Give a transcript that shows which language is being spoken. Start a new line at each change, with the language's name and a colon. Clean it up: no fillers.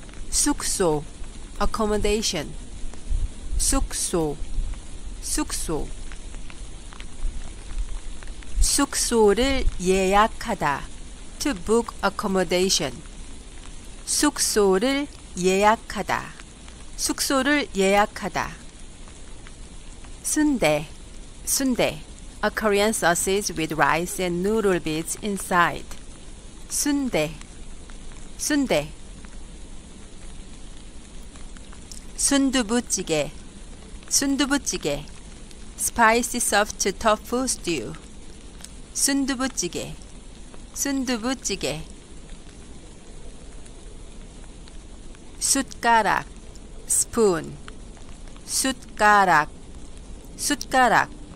Korean: 숙소, accommodation, 숙소, 숙소. 숙소를 예약하다,
English: to book accommodation,
Korean: 숙소를 예약하다, 숙소를 예약하다.
English: 순대, 순대, a Korean sausage with rice and noodle bits inside, 순대, 순대.
Korean: 순두부찌개, 순두부찌개,
English: spicy soft tofu stew,
Korean: 순두부찌개, 순두부찌개. 숟가락, spoon, 숟가락, 숟가락.